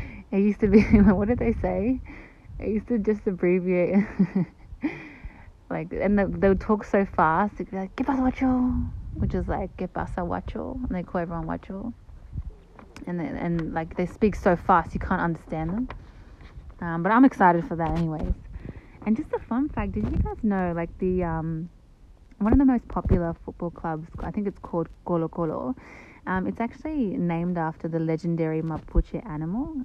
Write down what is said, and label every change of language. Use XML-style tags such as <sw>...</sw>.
<en>It used to be, what did they say? It used to just abbreviate. Like, and they would talk so fast. It'd be like,</en> <es>¿Qué pasa, guacho?</es> <en>Which is like,</en> <es>¿Qué pasa, guacho?</es> <en>And they call everyone guacho. And like they speak so fast, you can't understand them. But I'm excited for that anyways. And just a fun fact, did you guys know, like, the one of the most popular football clubs, I think it's called Colo Colo, it's actually named after the legendary Mapuche animal.</en>